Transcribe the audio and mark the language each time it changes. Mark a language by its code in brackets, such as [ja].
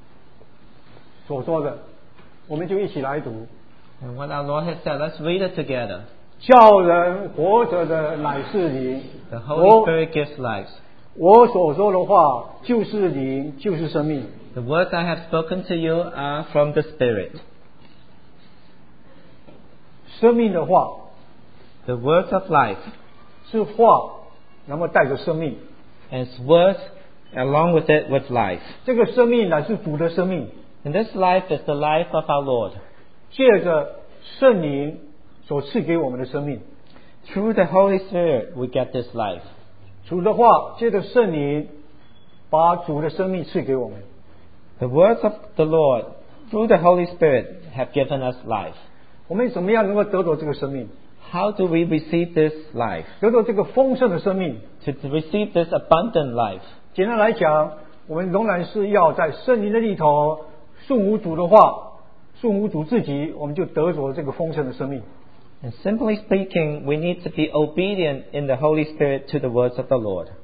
[zh] 也就是我们的主所说的, 我们就一起来读, [en] and what our Lord has said, let's read it together. [zh] 叫人活着的乃是灵, [en] the Holy Spirit gives life. [zh] 我所说的话就是灵, 就是生命。 [en] The words I have spoken to you are from the Spirit. [zh] 生命的话, [en] the words of life. [zh] 是话, 然后带着生命, [en] and it's words along with it with life. [zh] 这个生命乃是主的生命, [en] and this life is the life of our Lord. [zh] 借着圣灵所赐给我们的生命, [en] through the Holy Spirit we get this life. [zh] 主的话, 借着圣灵把主的生命赐给我们。 [en] The words of the Lord through the Holy Spirit have given us life. [zh] 我们怎么样能够得到这个生命? [en] How do we receive this life? [zh] 得到这个丰盛的生命, [en] to receive this abundant life. [zh] 简单来讲, 我们仍然是要在圣灵的里头, 顺服主的话, 顺服主自己, 我们就得着这个丰盛的生命。 [en] And simply speaking, we need to be obedient in the Holy Spirit to the words of the Lord.